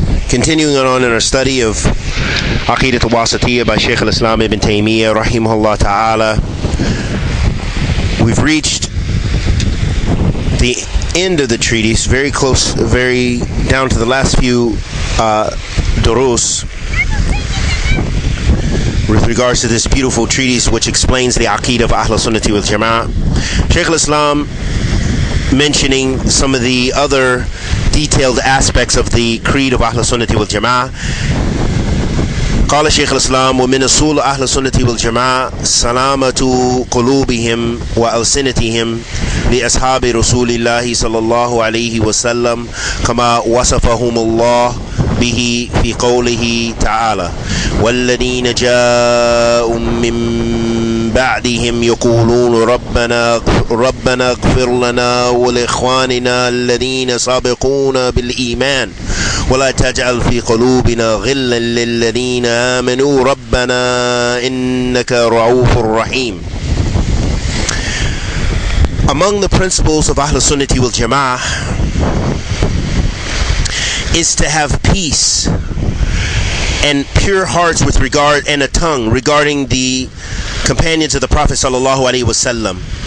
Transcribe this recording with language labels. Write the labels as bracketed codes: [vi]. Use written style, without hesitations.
[en] Continuing on in our study of Aqeedah Al-Waasitiyah by Shaykh al-Islam ibn Taymiyyah rahimahullah ta'ala, we've reached the end of the treatise, very close, very down to the last few durus with regards to this beautiful treatise which explains the Aqeedah of Ahlus Sunnah with Jama'ah. Shaykh al-Islam mentioning some of the other detailed aspects of the creed of Ahlus Sunnah with Jama'ah. [ar] قال شيخ الإسلام ومن أصول أهل السنة والجماعة سلامة قلوبهم وألسنتهم لأصحاب رسول الله صلى الله عليه وسلم كما وصفهم الله به في قوله تعالى والذين جاءوا من بعدهم يقولون ربنا اغفر لنا ولإخواننا الذين سابقونا بالإيمان ولا تجعل في قلوبنا غلا للذين آمنوا ربنا إنك رؤوف رحيم. [en] Among the principles of Ahlus Sunnah wal Jama'ah is to have peace and pure hearts with regard and a tongue regarding the companions of the Prophet sallallahu alaihi wasallam.